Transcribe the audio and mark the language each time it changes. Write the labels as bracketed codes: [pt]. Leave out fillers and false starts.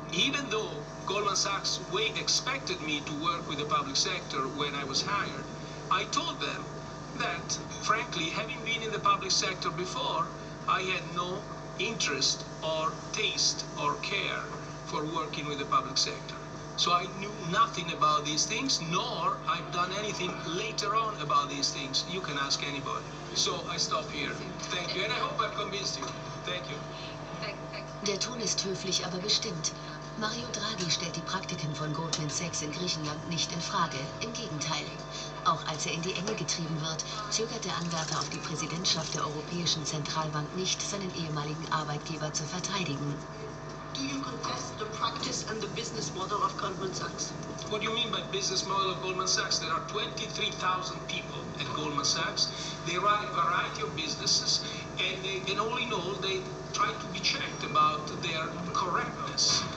[en] Even though Goldman Sachs way expected me to work with the public sector when I was hired, I told them that, frankly, having been in the public sector before, I had no interest or taste or care for working with the public sector. So I knew nothing about these things, nor I've done anything later on about these things. You can ask anybody. So I stop here. Thank you, and I hope I've convinced you. Thank you. [de] Der Ton ist höflich, aber bestimmt. Mario Draghi stellt die Praktiken von Goldman Sachs in Griechenland nicht in Frage. Im Gegenteil. Auch als er in die Enge getrieben wird, zögert der Anwärter auf die Präsidentschaft der Europäischen Zentralbank nicht, seinen ehemaligen Arbeitgeber zu verteidigen. [en] Do you contest the practice and the business model of Goldman Sachs? What do you mean by business model of Goldman Sachs? There are 23,000 people at Goldman Sachs. They run a variety of businesses and they, and all in all, they try to be checked about their correctness.